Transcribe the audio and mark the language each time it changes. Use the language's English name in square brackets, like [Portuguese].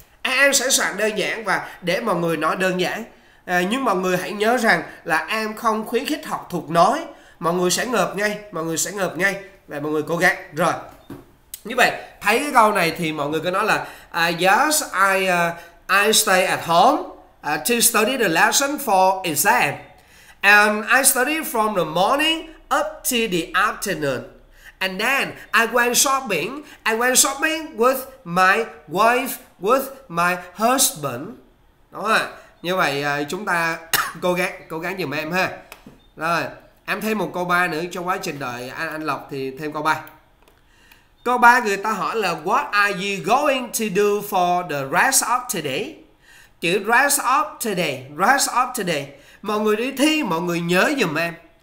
[Vietnamese] An sẵn sàng đơn giản và để mọi người nói đơn giản. Nhưng mọi người hãy nhớ rằng là An không khuyến khích học thuộc nói. Mọi người sẽ ngợp ngay, mọi người sẽ ngợp ngay. Và mọi người cố gắng. Rồi. Như vậy, thấy cái câu này thì mọi người cứ nói là [English] yes, I stay at home to study the lesson for exam. And I study from the morning up to the afternoon. And then I went shopping with my wife, with my husband. [Vietnamese] Đúng không? Như vậy chúng ta cố gắng giùm em ha. Rồi, em thêm một câu 3 nữa trong quá trình đợi anh Lộc thì thêm câu 3. Câu 3 người ta hỏi là [English] what are you going to do for the rest of today? [Vietnamese] Chữ rest of today. Mọi người đi thi, mọi người nhớ giùm em.